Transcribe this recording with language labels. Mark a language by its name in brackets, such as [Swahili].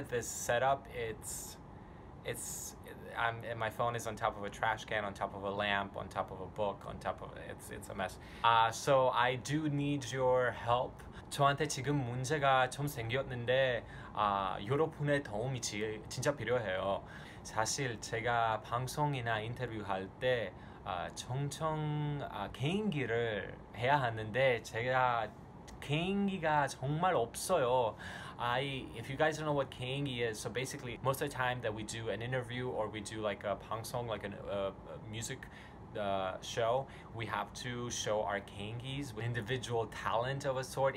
[English] This setup, and my phone is on top of a trash can, on top of a lamp, on top of a book, on top of it's a mess. So I do need your help. [Korean] 저한테 지금 문제가 좀 생겼는데, 여러분의 도움이 진짜 필요해요. 사실 제가 방송이나 인터뷰할 때, 종종 개인기를 해야 하는데, 제가 개인기가 정말 없어요. [English] If you guys don't know what 개인기 is, so basically, most of the time that we do an interview or we do like a 방송, like a music show, we have to show our 개인기s, individual talent of a sort.